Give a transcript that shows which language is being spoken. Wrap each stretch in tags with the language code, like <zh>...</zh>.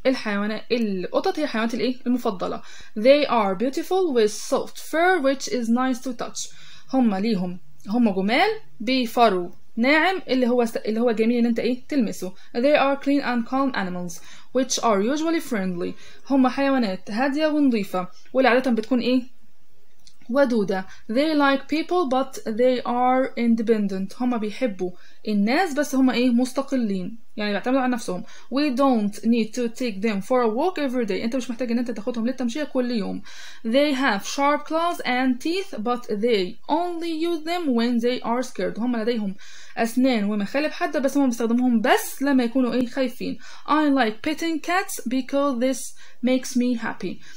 <ar>القطط هي حيوانات الايه المفضلة.</ar> <en>They are beautiful with soft fur which is nice to touch.</en> <ar>هم جمال بفرو ناعم اللي هو جميل ان انت ايه تلمسه.</ar> <en>They are clean and calm animals which are usually friendly.</en> <ar>هم حيوانات هادية ونظيفة واللي عادة بتكون ايه ودودة.</ar> <en>They like people but they are independent.</en> <ar>هما بيحبوا الناس بس هما ايه مستقلين يعني بيعتمدوا على نفسهم.</ar> <en>We don't need to take them for a walk every day.</en> <ar>انت مش محتاج ان انت تاخدهم للتمشية كل يوم.</ar> <en>They have sharp claws and teeth but they only use them when they are scared.</en> <ar>هما لديهم اسنان ومخالب حادة بس هما بيستخدمهم بس لما يكونوا ايه خايفين.</ar> <en>I like petting cats because this makes me happy.</en>